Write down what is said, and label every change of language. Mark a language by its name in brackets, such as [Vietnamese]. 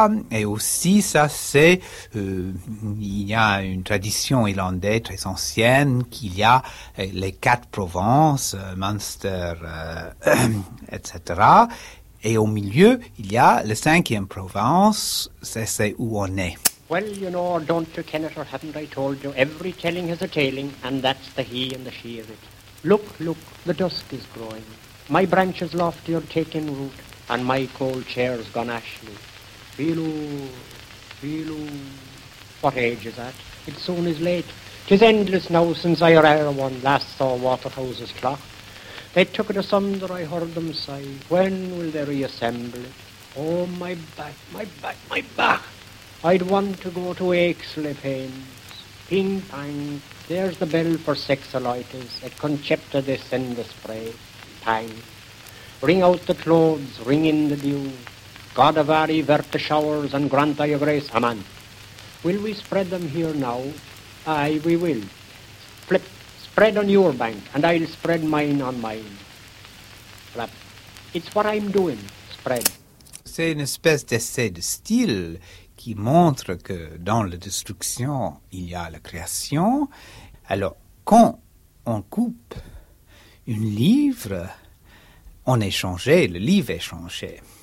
[French] Et aussi, ça c'est, il y a une tradition irlandaise très ancienne qu'il y a les quatre provinces, Munster, etc., et au milieu, il y a la cinquième province, c'est où on est. [English] Well, you know, or don't you, Kenneth, or haven't I told you, every telling has a tailing, and that's the he and the she of it. Look, look, the dusk is growing. My branches lofty are taking root, and my cold chair's gone ashly. Feeloo, feeloo. What age is that? It soon is late. 'Tis endless now since I rare one last saw Waterhouse's clock. They took it asunder, I heard them say, when will they reassemble it? Oh, my back, my back, my back! I'd want to go to Aixley Pains. Ping-pang, there's the bell for sexolitis, a concepta they send the spray. Pang. Ring out the clothes, ring in the dew. God of Ari, vert the showers and grant thy grace. Amen. Will we spread them here now? Aye, we will. Flip. Spread on your bank, and I'll spread mine on mine. Flap. It's what I'm doing, spread. [French] C'est une espèce d'essai de style qui montre que dans la destruction, il y a la création. Alors, quand on coupe une livre, on est changé, le livre est changé.